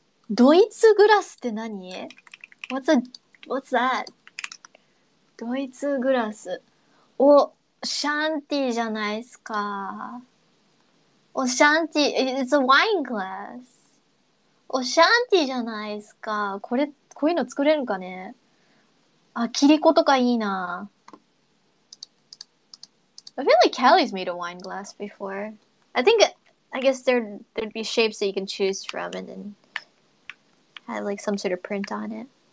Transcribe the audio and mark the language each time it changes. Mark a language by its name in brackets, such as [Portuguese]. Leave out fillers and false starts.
[Japanese] ドイツグラスって何？ [English] What's that？ [Japanese] ドイツグラス。お、シャンティじゃないっすか。お、シャンティ、 [English] It's a wine glass。 [Japanese] お、シャンティじゃないっすか。これ、こういうの作れるかね？あ、キリコとかいいな。 [English] I feel like Kelly's made a wine glass before. I think, I guess there'd be shapes that you can choose from and then have like some sort of print on it.